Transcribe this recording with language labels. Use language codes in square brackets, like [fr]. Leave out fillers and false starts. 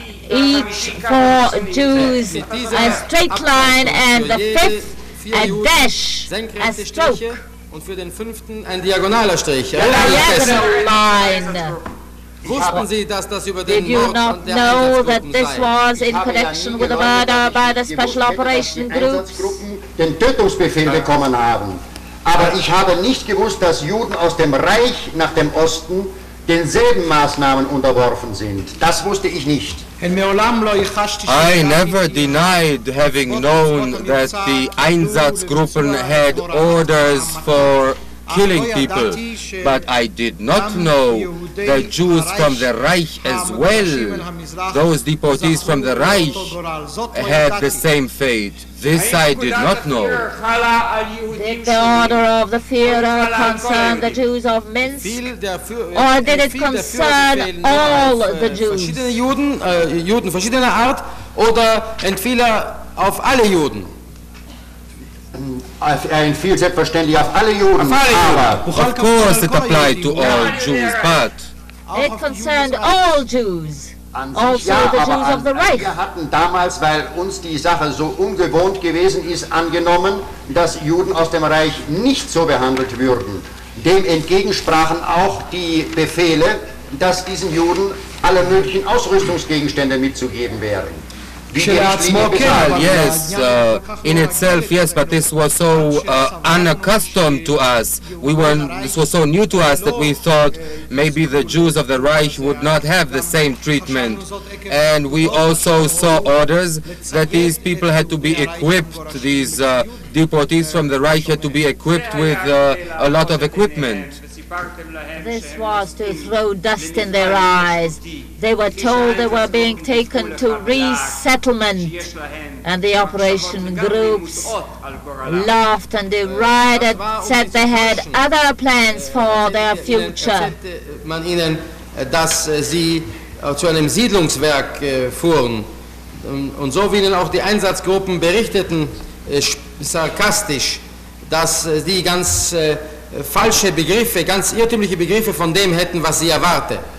[en] Each four Jews a straight line and the fifth a dash, a stroke. [de] Und für den fünften ein diagonaler Strich. [en] A diagonal line. [de] Wussten Sie, dass das über den Mord an der Einsatzgruppen sei? [en] Did you not know that this was in connection with the murder by the special operation groups? [de] Den Tötungsbefehl bekommen haben. Aber ich habe nicht gewusst, dass Juden aus dem Reich nach dem Osten denselben Maßnahmen unterworfen sind. Das wusste ich nicht. [en] I never denied having known that the Einsatzgruppen had orders for killing people, but I did not know the Jews from the Reich as well. Those deportees from the Reich had the same fate. This I did not know. Did the order of the Führer concern the Jews of Minsk? Or did it concern all the Jews? [de] Juden verschiedener Art, oder entfiel er auf alle Juden? Er entfiel selbstverständlich auf alle Juden, aber... [en] Of course it applied to all Jews, but... It concerned all Jews. Also the Jews of the Reich. [de] Wir hatten damals, weil uns die Sache so ungewohnt gewesen ist, angenommen, dass Juden aus dem Reich nicht so behandelt würden. Dem entgegensprachen auch die Befehle, dass diesen Juden alle möglichen Ausrüstungsgegenstände mitzugeben wären. [en] Yes, in itself, yes, but this was so unaccustomed to us. This was so new to us that we thought maybe the Jews of the Reich would not have the same treatment. And we also saw orders that these people had to be equipped, these deportees from the Reich had to be equipped with a lot of equipment. This was to throw dust in their eyes. They were told they were being taken to resettlement, and the operation groups laughed and derided, said they had other plans for their future. [de] Man ihnen, dass sie zu einem Siedlungswerk fuhren, und so wie ihnen auch die Einsatzgruppen berichteten, sarkastisch, dass die ganz falsche Begriffe, ganz irrtümliche Begriffe von dem hätten, was sie erwarte.